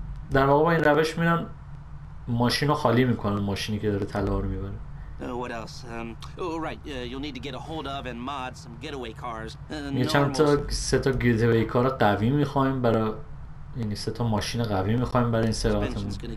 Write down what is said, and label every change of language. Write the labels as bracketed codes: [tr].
[fa] در واقع با این روش میرن ماشین رو خالی میکنن، ماشینی که داره طلا رو میبره. [en] What else? You'll need to get a hold of and mod some getaway cars. [fa] سه تا getaway car قوی می‌خوایم برای، یعنی سه تا ماشین قوی می‌خوایم برای این سراغاتمون.